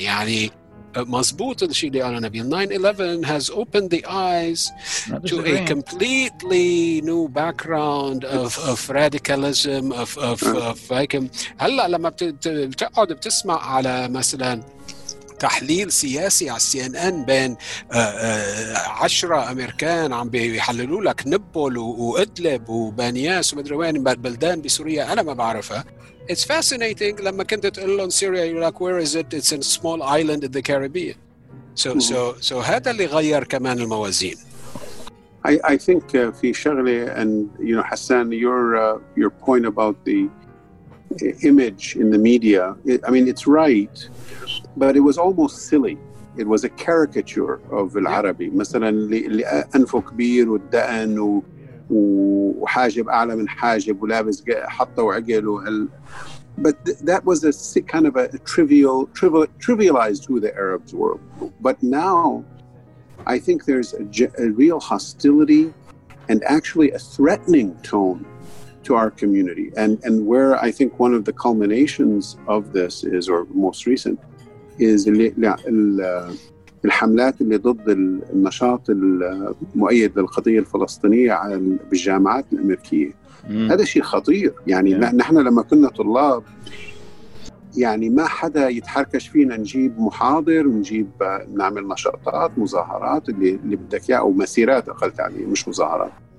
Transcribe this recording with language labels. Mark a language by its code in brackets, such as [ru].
[ar] يعني مزبوط الشيء اللي قاله نبيل [en] 9/11 has opened the eyes to a completely new background of radicalism of like [ar] هلا لما بتقعد بتسمع على مثلا تحليل سياسي على سي ان ان بين 10 امريكان عم بيحللوا لك نبول وادلب وبانياس ومدري وين بلدان بسوريا انا ما بعرفها. [en] It's fascinating [ar] لما كنت تقول لهم سوريا [en] you're like where is it it's in a small island in the Caribbean. [ar] So هذا اللي غير كمان الموازين. [en] I think [ar] في شغله [en] and you know حسان your point about the image in the media I mean it's right but it was almost silly. It was a caricature of [ar] العربي مثلا اللي أنفه كبير والدقن وحاجب أعلى من حاجب ولابس حطة وعقل [en] but that was a kind of a trivialized who the Arabs were. But now I think there's a real hostility and actually a threatening tone to our community. And where I think one of the culminations of this is, or most recent, is [ar] الحملات اللي ضد النشاط المؤيد للقضية الفلسطينية على الجامعات الأمريكية. هذا شيء خطير. يعني نحن لما كنا طلاب يعني ما حدا يتحركش فينا نجيب محاضر ونجيب نعمل نشاطات مظاهرات اللي بدك اياه أو مسيرات أقل تعليم مش مظاهرات.